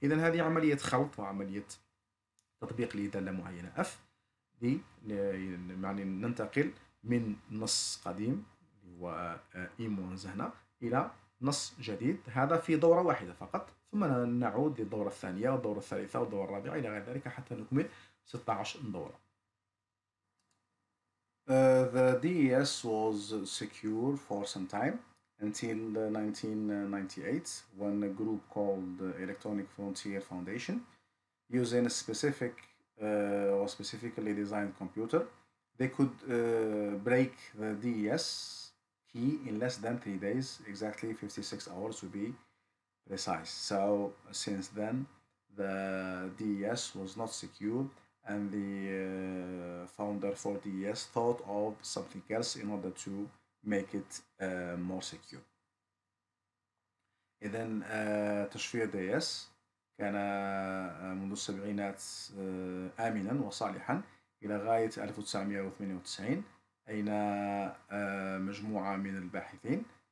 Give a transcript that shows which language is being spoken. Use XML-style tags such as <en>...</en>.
<ar>إذن هذه عملية خلط وعملية تطبيق لدالة معينة F، يعني ننتقل من نص قديم هو إيمونز هنا إلى نص جديد، هذا في دورة واحدة فقط، ثم نعود للدورة الثانية والدورة الثالثة والدورة الرابعة إلى غير ذلك حتى نكمل 16 دورة.</ar> <en>The DES was secure for some time until 1998 when a group called Electronic Frontier Foundation using a specific or specifically designed computer they could break the DES key in less than 3 days, exactly 56 hours to be precise. So since then the DES was not secure and the founder for DES thought of something else in order to make it more secure.</en> <ar>إذن تشفير DES كان منذ السبعينات آمنا وصالحا إلى غاية 1998 أين مجموعة من الباحثين</ar>